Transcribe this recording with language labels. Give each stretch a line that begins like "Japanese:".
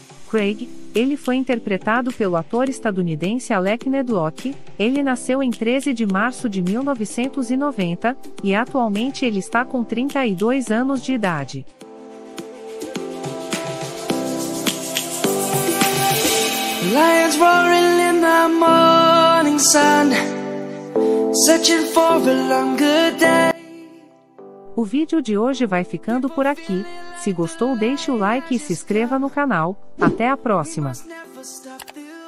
Portuguese: Craig, ele foi interpretado pelo ator estadunidense Alec Nedlock. Ele nasceu em 13 de março de 1990, e atualmente ele está com 32 anos de idade.
English: Lions roaring in the morning sun, searching for a longer day.
Portuguese: O vídeo de hoje vai ficando por aqui. Se gostou, deixe o like e se inscreva no canal. Até a próxima!